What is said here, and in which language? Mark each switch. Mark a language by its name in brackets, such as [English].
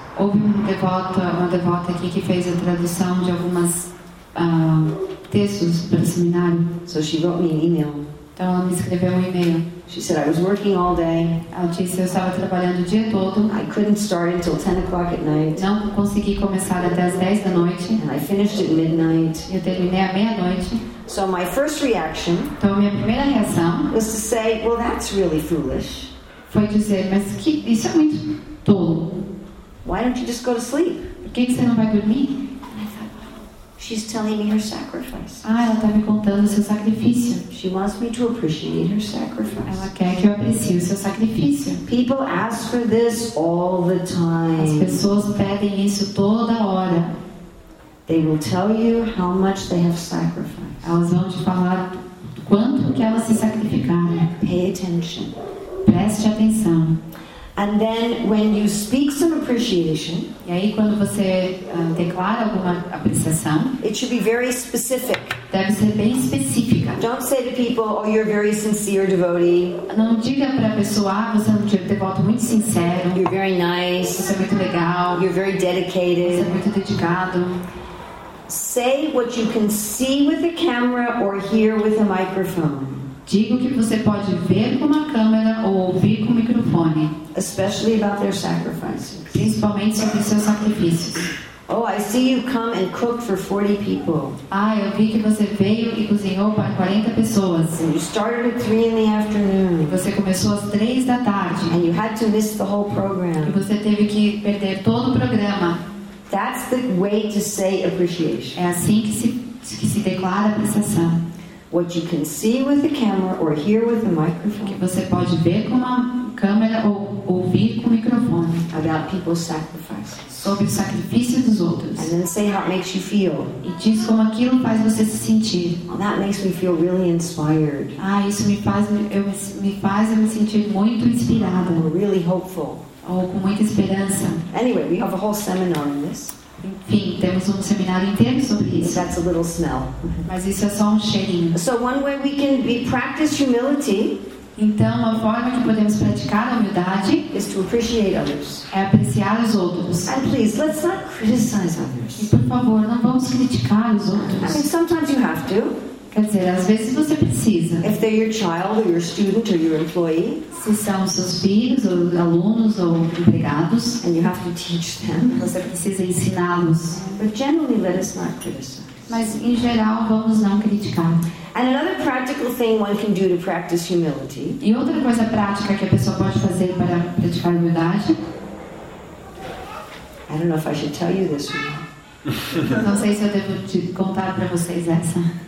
[Portuguese] Houve uma devota aqui que fez a tradução de algumas textos para o seminário. [English] So she wrote me an email. [Portuguese] Então ela me escreveu um e-mail. [English] She said I was working all day. [Portuguese] Ela disse eu estava trabalhando o dia todo. [English] I couldn't start until 10 o'clock at night. [Portuguese] Não consegui começar até as 10 da noite. [English] And I finished at midnight. [Portuguese] Eu terminei à meia-noite. [English] So my first reaction, [Portuguese] então minha primeira reação, [English] was to say, well, that's really foolish. [Portuguese] Foi dizer, mas que isso é muito tolo. [English] Why don't you just go to sleep? [Portuguese] Por que você não vai dormir? [English] And I thought, she's telling me her sacrifice. [Portuguese] Ah, ela está me contando seu sacrifício. [English] She wants me to appreciate her sacrifice. [Portuguese] Ela quer que eu aprecie o seu sacrifício. [English] People ask for this all the time. [Portuguese] As pessoas pedem isso toda hora. [English] They will tell you how much they have sacrificed. [Portuguese] Elas vão te falar quanto que elas se sacrificaram. [English] Pay attention. [Portuguese] Preste atenção. [English] And then when you speak some appreciation, [Portuguese] e aí quando você declara alguma apreciação, [English] it should be very specific. [Portuguese] Deve ser bem específica. [English] Don't say to people, oh, you're a very sincere devotee. [Portuguese] Não diga para a pessoa, ah, você é um devoto muito sincero. [English] You're very nice. [Portuguese] Você é muito legal. [English] You're very dedicated. [Portuguese] Você é muito dedicado. [English] Say what you can see with a camera or hear with a microphone. [Portuguese] Diga o que você pode ver com uma câmera ou ouvir com um microfone. [English] Especially about their sacrifices. [Portuguese] Principalmente sobre seus sacrifícios. [English] Oh, I see you come and cook for 40 people. [Portuguese] Ah, eu vi que você veio e cozinhou para 40 pessoas. [English] And you started at 3 in the afternoon. [Portuguese] Você começou às 3 da tarde. [English] And you had to miss the whole program. [Portuguese] E você teve que perder todo o programa. [English] That's the way to say appreciation. [Portuguese] É assim que se declara apreciação. [English] What you can see with the camera or hear with the microphone. [Portuguese] Que você pode ver com uma câmera ou ouvir com o microfone. [English] About people's sacrifice. [Portuguese] Sobre o sacrifício dos outros. [English] And then say how it makes you feel. [Portuguese] E diz como aquilo faz você se sentir. [English] Well, that makes me feel really inspired. [Portuguese] Ah, isso me faz me sentir muito inspirada. [English] Or really hopeful. [Portuguese] Ou com muita esperança. [English] Anyway, we have a whole seminar on this. [Portuguese] Enfim, temos seminário inteiro sobre isso. [English] That's a little smell. [Portuguese] Mas isso é só cheirinho. [English] So one way we can be practice humility. [Portuguese] Então, uma forma que podemos praticar a humildade [English] is to appreciate others. [Portuguese] É apreciar os outros. [English] And please, let's not criticize others. [Portuguese] E por favor, não vamos criticar os outros. [English] I mean, sometimes you have to. [Portuguese] Quer dizer, às vezes você precisa. [English] If they're your child or your student or your employee, [Portuguese] se são seus filhos ou alunos ou empregados, [English] and you have to teach them, [Portuguese] você precisa ensiná-los. [English] But generally, let us not criticize. [Portuguese] Mas em geral, vamos não criticar. [English] And another practical thing one can do to practice humility. [Portuguese] E outra coisa prática que a pessoa pode fazer para praticar humildade. [English] I don't know if I should tell you this one. [Portuguese] Não sei se eu devo te contar para vocês essa.